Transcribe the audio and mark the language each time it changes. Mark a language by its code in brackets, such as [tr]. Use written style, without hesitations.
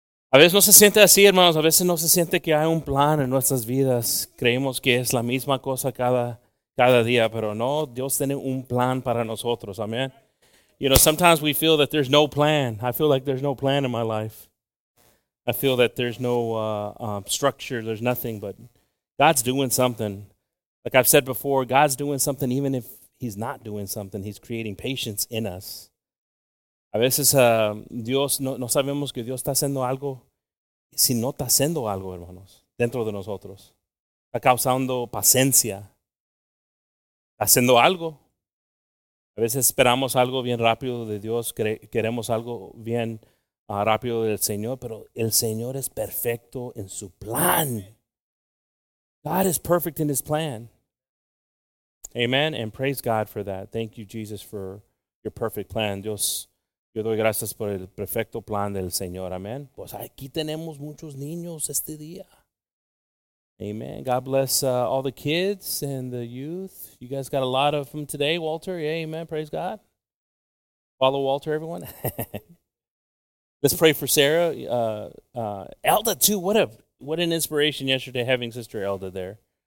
[es] A veces no se siente así, hermanos. A veces no se siente que hay un plan en nuestras vidas. Creemos que es la misma cosa cada día, pero no. Dios tiene un plan para nosotros. Amen. [en] You know, sometimes we feel that there's no plan. I feel like there's no plan in my life. I feel that there's no structure. There's nothing, but God's doing something. Like I've said before, God's doing something even if he's not doing something. He's creating patience in us. [es] A veces Dios, no sabemos que Dios está haciendo algo si no está haciendo algo, hermanos, dentro de nosotros. Está causando paciencia. Está haciendo algo. A veces esperamos algo bien rápido de Dios, queremos algo bien rápido del Señor, pero el Señor es perfecto en su plan. [en] God is perfect in his plan. Amen. And praise God for that. Thank you, Jesus, for your perfect plan. [es] Dios, yo doy gracias por el perfecto plan del Señor. Amen. Pues aquí tenemos muchos niños este día. Amen. [en] God bless all the kids and the youth. You guys got a lot of them today, Walter. Yeah, amen. Praise God. Follow Walter, everyone. Let's pray for Sarah. Elda, too. What an inspiration yesterday having Sister Elda there.